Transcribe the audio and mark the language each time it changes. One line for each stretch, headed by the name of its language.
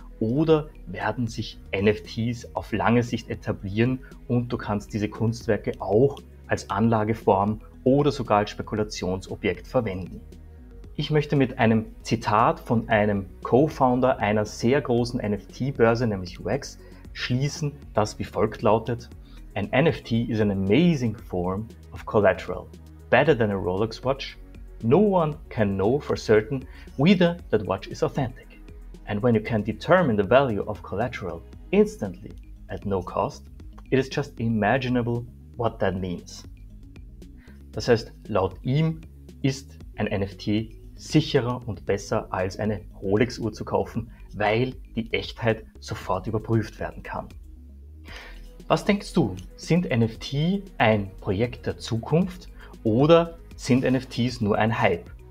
German: Oder werden sich NFTs auf lange Sicht etablieren und du kannst diese Kunstwerke auch als Anlageform oder sogar als Spekulationsobjekt verwenden? Ich möchte mit einem Zitat von einem Co-Founder einer sehr großen NFT-Börse, nämlich Wax, schließen, das wie folgt lautet:
English: An NFT is an amazing form of collateral, better than a Rolex watch. No one can know for certain whether that watch is authentic. And when you can determine the value of collateral instantly at no cost, it is just imaginable what that means.
German: Das heißt, laut ihm ist ein NFT sicherer und besser als eine Rolex-Uhr zu kaufen, weil die Echtheit sofort überprüft werden kann. Was denkst du? Sind NFT ein Projekt der Zukunft oder sind NFTs nur ein Hype?